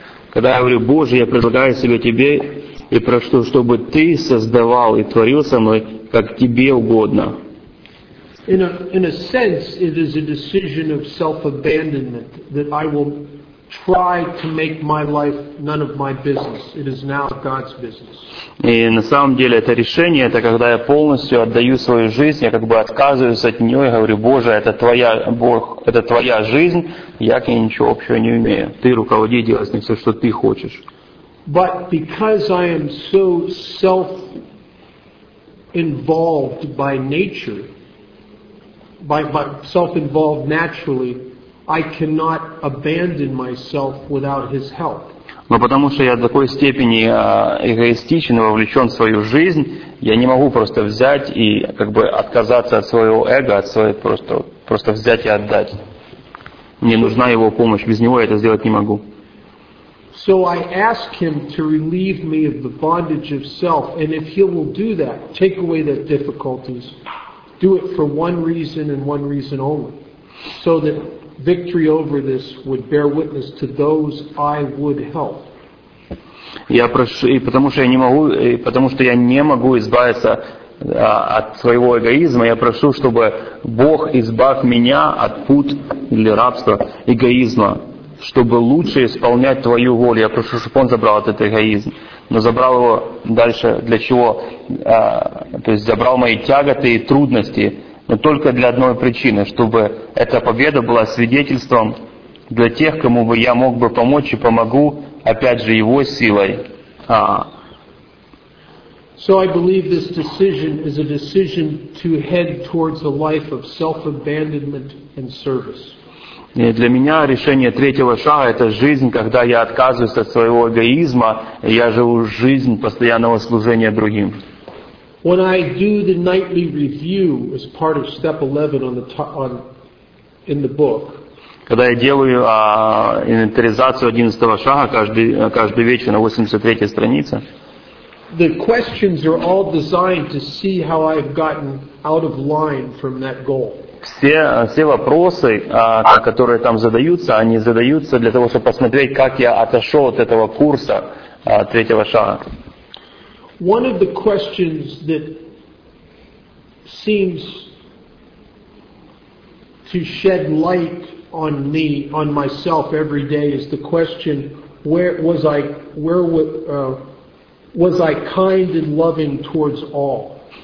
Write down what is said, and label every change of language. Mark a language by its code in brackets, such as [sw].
[ru] Когда я говорю, Боже, я предлагаю себя тебе и прошу, чтобы ты создавал и творил со мной, как тебе угодно. [en] In a sense, it is a decision of self-abandonment that I will try to make my life none of my business. It is now God's business. [ru] И на самом деле это решение, это когда я полностью отдаю свою жизнь, я как бы отказываюсь от нее и говорю, Боже, это твоя, Бог, это твоя жизнь, я к ней ничего общего не имею. Ты руководи, делай с ней все, что ты хочешь. [en] But because I am so self-involved by nature, by self-involved naturally, I cannot abandon myself without his help. [ru] Но потому что я в такой степени эгоистичен и вовлечен в свою жизнь, я не могу просто взять и как бы отказаться от своего эго, от своего просто взять и отдать. Мне нужна его помощь, без него я это сделать не могу. [en] So I ask him to relieve me of the bondage of self, and if he will do that, take away the difficulties, do it for one reason and one reason only, so that victory over this would bear witness to those I would help. [ru] Я прошу, потому что я не могу избавиться от своего эгоизма, я прошу, чтобы Бог избавил меня от пут или рабства эгоизма, чтобы лучше исполнять твою волю. Я прошу, чтобы он забрал этот эгоизм, но забрал его дальше для чего? То есть забрал мои тяготы и трудности. Но только для одной причины, чтобы эта победа была свидетельством для тех, кому бы я мог бы помочь и помогу, опять же, его силой. [en] So I believe this decision is a decision to head towards a life of self-abandonment and service. [ru] И для меня решение третьего шага – это жизнь, когда я отказываюсь от своего эгоизма, и я живу жизнь постоянного служения другим. [en] When I do the nightly review as part of step 11 in the book. [ru] Когда я делаю инвентаризацию 11-го шага каждый вечер на 83-й странице. [en] the questions are all designed to see how I've gotten out of line from that goal. [ru] Все вопросы, которые там задаются, они задаются для того, чтобы посмотреть, как я отошел от этого курса третьего шага. [en] One of the questions that seems to shed light on me, on myself every day is the question, where was I kind and loving towards all?